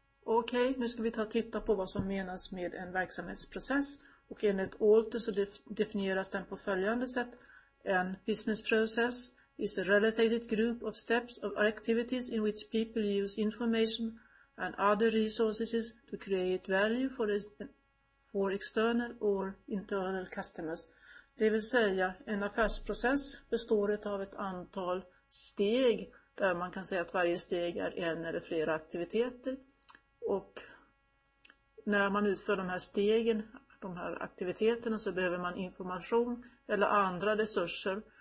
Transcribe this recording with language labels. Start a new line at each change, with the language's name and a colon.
Swedish: Okej, nu ska vi ta och titta på vad som menas med en verksamhetsprocess. Och enligt Alter så definieras den på följande sätt.
English: En business process is a related group of steps of activities in which people use information and other resources to create value for external or internal customers.
Swedish: Det vill säga, en affärsprocess består av ett antal steg där man kan säga att varje steg är en eller flera aktiviteter. Och när man utför de här stegen, de här aktiviteterna, så behöver man information eller andra resurser.